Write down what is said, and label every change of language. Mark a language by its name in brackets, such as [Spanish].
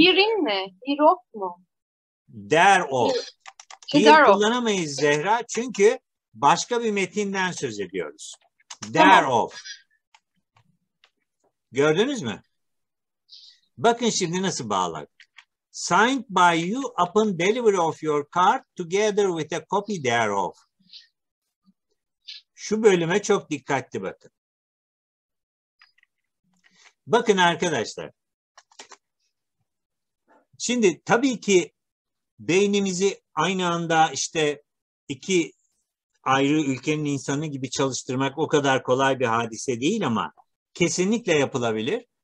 [English] Here in mi? Here of mu? There of. Here [Turkish] kullanamayız [English] Zehra. [Turkish] Çünkü başka bir metinden söz ediyoruz. There tamam. Of. Gördünüz mü? Bakın şimdi nasıl bağlar. [English] Signed by you upon delivery of your card together with a copy thereof. [Turkish] Şu bölüme çok dikkatli bakın. Bakın arkadaşlar. Şimdi tabii ki beynimizi aynı anda işte iki ayrı ülkenin insanı gibi çalıştırmak o kadar kolay bir hadise değil ama kesinlikle yapılabilir.